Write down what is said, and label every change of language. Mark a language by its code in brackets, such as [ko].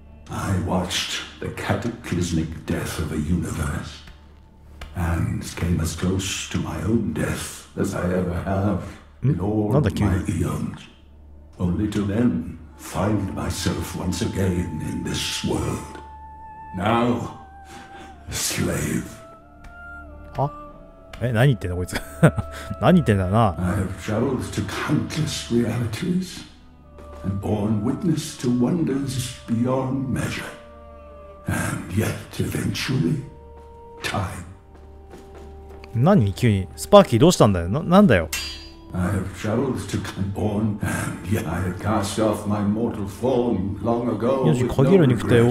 [en] I watched the cataclysmic death of a universe, and came as close to my own death as I ever have in all my eons. Only to then find myself once again in this world. Now, a slave. [ja] は？え、何言ってんだこいつ。何言ってんだな。 [en] I have traveled to countless realities and borne witness to wonders beyond measure. And yet, eventually, time. [ja] 何急に。スパーキーどうしたんだよ。なんだよ。 [en] I have traveled to Kanborn, and yet I have cast off my mortal form long ago with no regret.